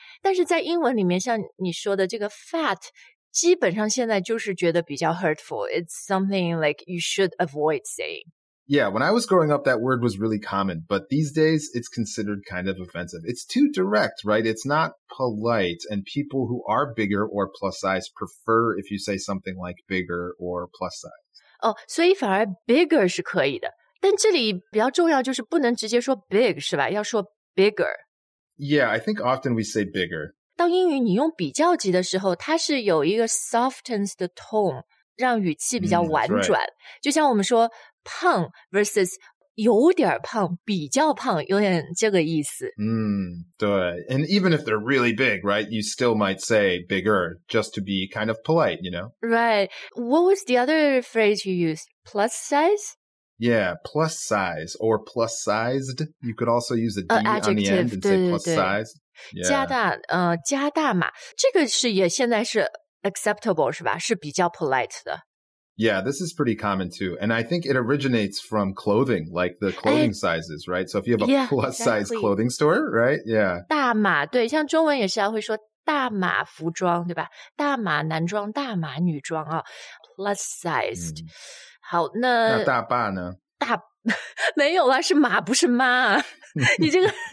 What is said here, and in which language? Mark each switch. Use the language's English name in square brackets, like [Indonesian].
[Chinese] 但是在英文里面像你说的这个 fat, 基本上现在就是觉得比较 hurtful, [English] it's something like you should avoid saying. Yeah, when I was growing up, that word was really common, but these days it's considered kind of offensive. It's too direct, right? It's not polite, and people who are bigger or plus size prefer if you say something like bigger or plus size. [Chinese] Oh, 所以反而 bigger 是可以的。但这里比较重要就是不能直接说 big, 是吧？要说 bigger. [English] Yeah, I think often we say bigger. [Chinese] 当英语你用比较级的时候它是有一个 [English] softens the tone, [Chinese] 让语气比较婉转。就像我们说胖 versus 有点胖比较胖有点这个意思。对。 [English] And even if they're really big, right, you still might say bigger just to be kind of polite, you know? Right. What was the other phrase you used? Plus size? Yeah, plus size or plus sized. You could also use a D adjective, on the end and [Chinese] 对对对 [English] say plus size. Yeah. [Chinese] 加大加大嘛。这个是也现在是 acceptable, 是吧是比较 polite 的。 [English] Yeah, this is pretty common too. And I think it originates from clothing, like the clothing sizes, right? So if you have a yeah, plus exactly. size clothing store, right? Yeah. [Chinese] 大码,对,像中文也是要会说大码服装,对吧? 大码男装,大码女装啊。 [English] Plus sized. [Chinese] 好,那大爸呢? 大,没有啊,是马不是妈。你这个